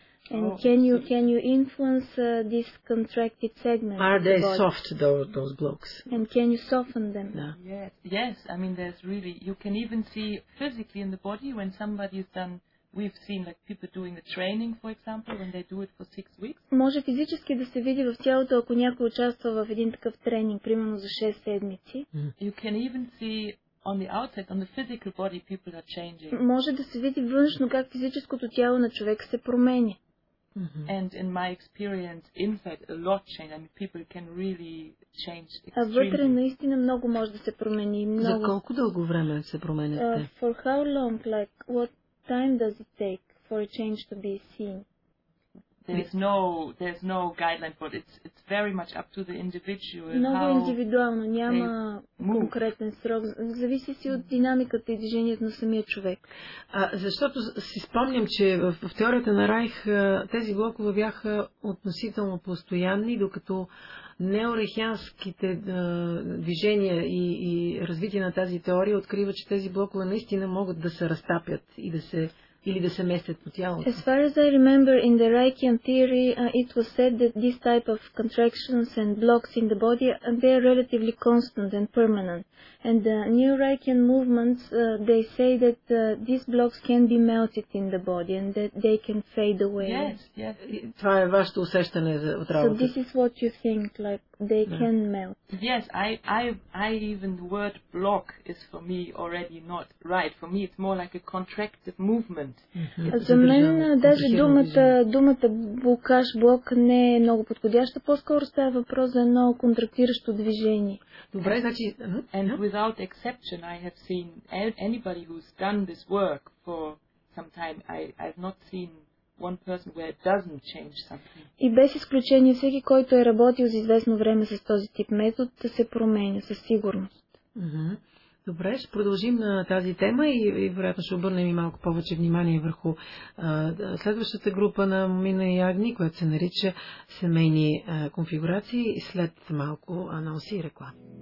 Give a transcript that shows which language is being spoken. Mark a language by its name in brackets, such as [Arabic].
[English] And can you influence this contracted segment? Are they soft, those blocks? And can you soften them? No. Yes. I mean, there's really, you can even see physically in the body when somebody's done, we've seen like people doing the training, for example, when they do it for 6 weeks. [Bulgarian] Може физически да се види в тялото, ако някой участва в един такъв тренинг, примерно за 6 седмици. [English] You can even see on the outside, on the physical body, people are changing. [Bulgarian] Може да се види външно как физическото тяло на човек се променя. Mm-hmm. [English] And in my experience, in fact, a lot change. I mean, people can really change extremely. [Bulgarian] А вътре наистина много може да се промени. Много. За колко дълго време се променяте? [English] For how long, like, what time does it take for a change to be seen? There's no guideline, but it's very much up to the individual. [Bulgarian] Много индивидуално, няма конкретен срок. Зависи си от динамиката и движението на самия човек. Защото си спомням, че в теорията на Райх тези блокове бяха относително постоянни, докато неорехианските движения и развитие на тази теория открива, че тези блокове наистина могат да се разтапят и да се. Или да се местят по тялото. [English] As far as I remember, in the Reichian theory, it was said that this type of contractions and blocks in the body, they are relatively constant and permanent. And the new Reichian movements, they say that these blocks can be melted in the body and that they can fade away. Yes. [Bulgarian] Това е вашето усещане от работа. [English] So this is what you think, like they can melt. Yes, I even the word block is for me already not right. For me it's more like a contractive movement. [Bulgarian] За мен даже думата блокаж, блок не е много подходяща, по-скоро става въпрос за едно контрактиращо движение. Добре, значи. [English] And without exception, I have seen anybody who's done this work for some time, I've not seen one person where it doesn't change something. [Bulgarian] И без изключение, всеки, който е работил за известно време с този тип метод, да се променя със сигурност. Добре, ще продължим на тази тема и вероятно ще обърнем и малко повече внимание върху следващата група на Мина и Агни, която се нарича семейни конфигурации, след малко анонси и реклами.